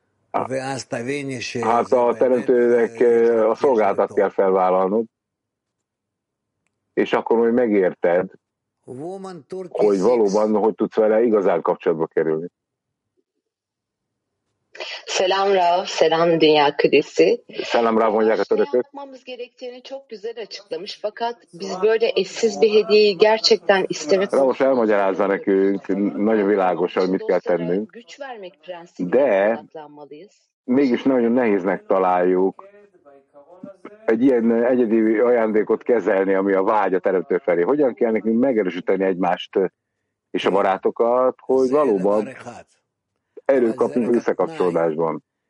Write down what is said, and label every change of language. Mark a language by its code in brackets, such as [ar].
[hu] Hát a teremtőnek a szolgáltat kell felvállalnod, és akkor majd megérted, hogy valóban, hogy tudsz vele igazán kapcsolatba kerülni. [tr] Selam Rav, selam Dünya Kudüs'ü. [hu] Selam Rav, mondják a törökök. [tr] Yapmamız gerektiğini çok güzel açıklamış, fakat biz böyle eşsiz bir hediyeyi gerçekten istemedik. [hu] Rav, most elmagyarázza nekünk, nagyon világos, hogy mit kell tennünk. De mégis nagyon nehéznek találjuk egy ilyen egyedi ajándékot kezelni, ami a vágy a teremtő felé. Hogyan kell nekünk megerősíteni egymást és a barátokat, hogy valóban erőt kapjunk visszakapcsolódásban.